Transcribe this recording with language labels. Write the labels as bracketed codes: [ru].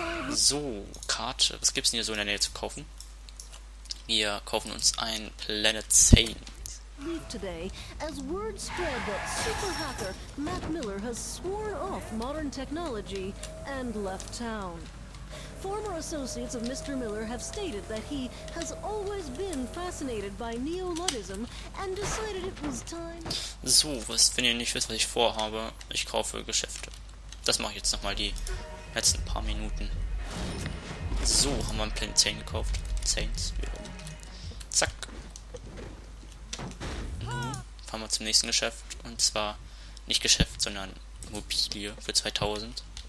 [de] So, Karte. Was gibt's denn hier so in der Nähe zu kaufen? Wir kaufen uns ein Planet Zane. [en] Leave today, as word spread that super hacker Matt Miller has sworn off modern technology and left town. Former associates of Mr. Miller have stated that he has always been fascinated by Neo-Luddism and decided it was time. [de] So, was, wenn ihr nicht wisst, was ich vorhabe, ich kaufe Geschäfte. Das mache ich jetzt nochmal die letzten paar Minuten. So, haben wir ein Planet Zane gekauft. Zanes, ja. Zack. Mal zum nächsten Geschäft, und zwar nicht Geschäft, sondern Immobilie für 2000.